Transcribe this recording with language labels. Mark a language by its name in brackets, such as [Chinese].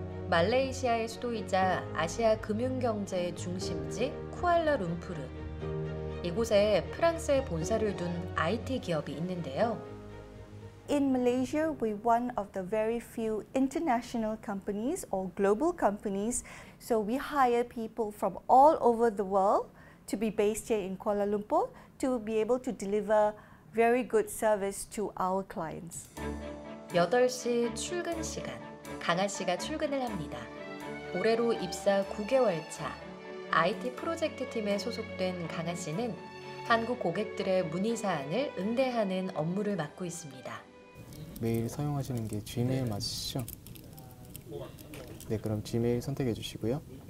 [Korean] 말레이시아의 수도이자 아시아 금융경제의 중심지 쿠알라룸푸르. 이곳에 프랑스의 본사를 둔 IT 기업이 있는데요. [English] In Malaysia, we're one of the very few international companies or global companies. So we hire people from all over the world to be based here in Kuala Lumpur to be able to deliver very good service to our clients. [Korean] 8시 출근 시간. 강아 씨가 출근을 합니다. 올해로 입사 9개월 차 IT 프로젝트 팀에 소속된 강아 씨는 한국 고객들의 문의 사항을 응대하는 업무를 맡고 있습니다. 메일 사용하시는 게 Gmail 맞으시죠? 네, 그럼 Gmail 선택해 주시고요.